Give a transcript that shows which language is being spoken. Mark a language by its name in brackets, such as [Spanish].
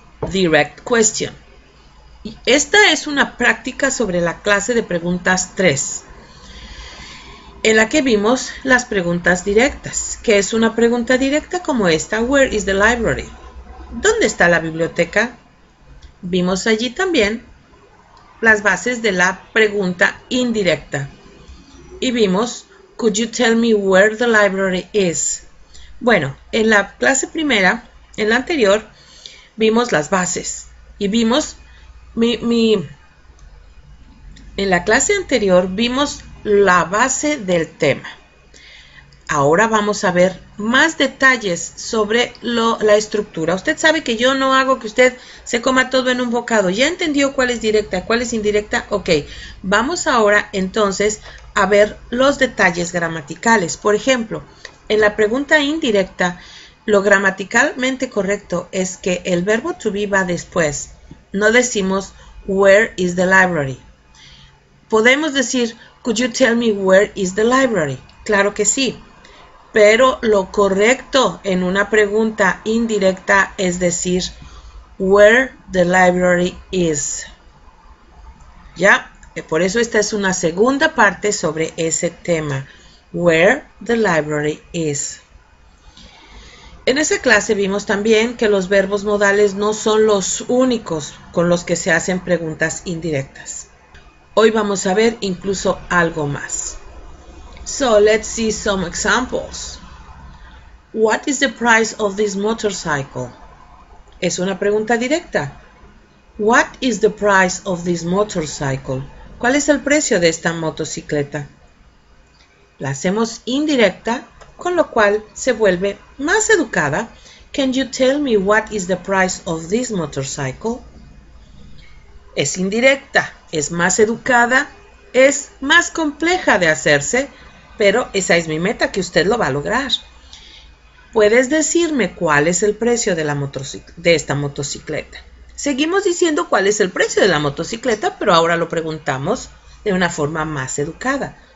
[English] Direct question. [Spanish] Y esta es una práctica sobre la clase de preguntas 3, en la que vimos las preguntas directas, que es una pregunta directa como esta, [English] where is the library? [Spanish] ¿Dónde está la biblioteca? Vimos allí también las bases de la pregunta indirecta. Y vimos, [English] could you tell me where the library is? [Spanish] Bueno, en la clase primera, en la anterior, vimos las bases. Y vimos, en la clase anterior, vimos la base del tema. Ahora vamos a ver más detalles sobre la estructura. Usted sabe que yo no hago que usted se coma todo en un bocado. ¿Ya entendió cuál es directa, cuál es indirecta? Ok, vamos ahora entonces a ver los detalles gramaticales. Por ejemplo, en la pregunta indirecta, lo gramaticalmente correcto es que el verbo to be va después. No decimos, [English] where is the library? [Spanish] Podemos decir, [English] could you tell me where is the library? [Spanish] Claro que sí. Pero lo correcto en una pregunta indirecta es decir, [English] where the library is. [Spanish] ¿Ya? Por eso esta es una segunda parte sobre ese tema, [English] where the library is. [Spanish] En esa clase vimos también que los verbos modales no son los únicos con los que se hacen preguntas indirectas. Hoy vamos a ver incluso algo más. [English] So, let's see some examples. What is the price of this motorcycle? [Spanish] Es una pregunta directa. [English] What is the price of this motorcycle? [Spanish] ¿Cuál es el precio de esta motocicleta? La hacemos indirecta, con lo cual se vuelve más educada. [English] Can you tell me what is the price of this motorcycle? [Spanish] Es indirecta, es más educada, es más compleja de hacerse. Pero esa es mi meta, que usted lo va a lograr. ¿Puedes decirme cuál es el precio de esta motocicleta? Seguimos diciendo cuál es el precio de la motocicleta, pero ahora lo preguntamos de una forma más educada.